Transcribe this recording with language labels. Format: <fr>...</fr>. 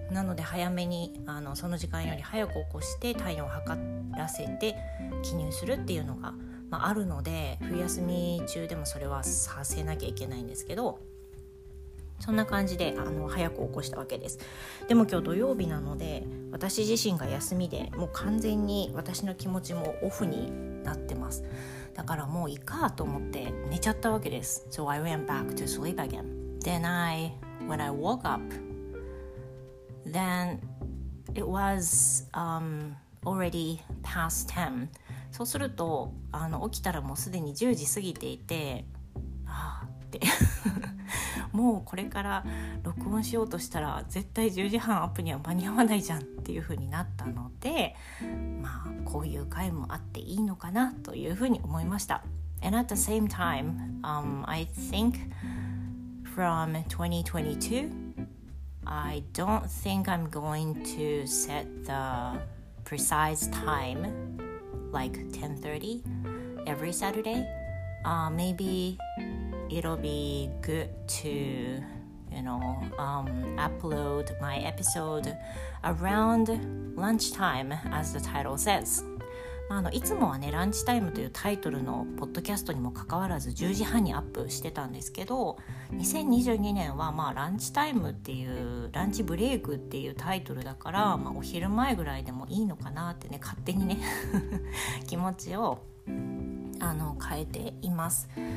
<ja>なので早めにその時間より早く起こして体温を測らせて記入するっていうのが、まあ、あるので、冬休み中でもそれはさせなきゃいけないんですけど、そんな感じで早く起こしたわけです。でも今日土曜日なので私自身が休みで、もう完全に私の気持ちもオフになってます。だからもういいかと思って寝ちゃったわけです。</ja> <en>So I went back to sleep again. Then when I woke up, then it was already past 10.</en> <ja>そうすると起きたらもうすでに10時過ぎていて、ああってもうこれから録音しようとしたら絶対10時半アップには間に合わないじゃんっていう風になったので、まあこういう回もあっていいのかなという風に思いました。</ja> <en>And at the same time, I think from 2022 I don't think I'm going to set the precise time like 10:30 every Saturday. Maybe it'll be good to, you know, upload my episode around lunchtime, as the title says.</en> <ja>いつもはね、ランチタイムというタイトルのポッドキャストにもかかわらず10時半にアップしてたんですけど、2022年はまあランチタイムっていう、ランチブレイクっていうタイトルだから、まあ、お昼前ぐらいでもいいのかなってね、勝手にね気持ちを変えています。</ja>